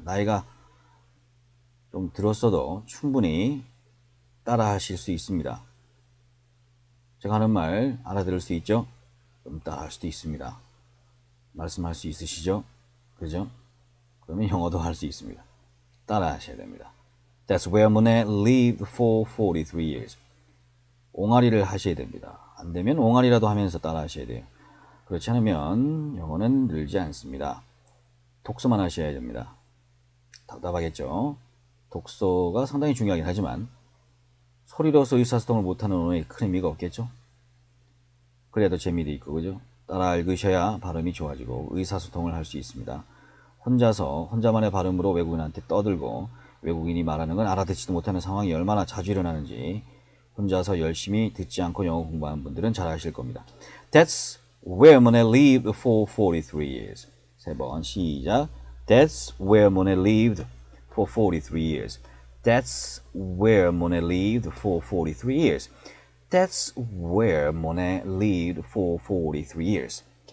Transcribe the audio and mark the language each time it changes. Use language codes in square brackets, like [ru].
[ko] 나이가 좀 들었어도 충분히 따라 하실 수 있습니다. 제가 하는 말 알아들을 수 있죠? 좀 따라 할 수도 있습니다. 말씀할 수 있으시죠? 그죠? 그러면 영어도 할수 있습니다. 따라 하셔야 됩니다. [en] That's where Monet lived for 43 years. [ko] 옹알이를 하셔야 됩니다. 안 되면 옹알이라도 하면서 따라 하셔야 돼요. 그렇지 않으면 영어는 늘지 않습니다. 독서만 하셔야 됩니다. 답답하겠죠? 독서가 상당히 중요하긴 하지만 소리로서 의사소통을 못하는 언어에 큰 의미가 없겠죠? 그래도 재미도 있고, 그죠? 따라 읽으셔야 발음이 좋아지고 의사소통을 할수 있습니다. 혼자서 혼자만의 발음으로 외국인한테 떠들고 외국인이 말하는 건 알아듣지도 못하는 상황이 얼마나 자주 일어나는지 혼자서 열심히 듣지 않고 영어 공부하는 분들은 잘 아실 겁니다. [en] That's where Monet lived for 43 years. [ko] 세 번, 시작. [en] That's where Monet lived for 43 years. That's where Monet lived for 43 years. That's where Monet lived for 43 years.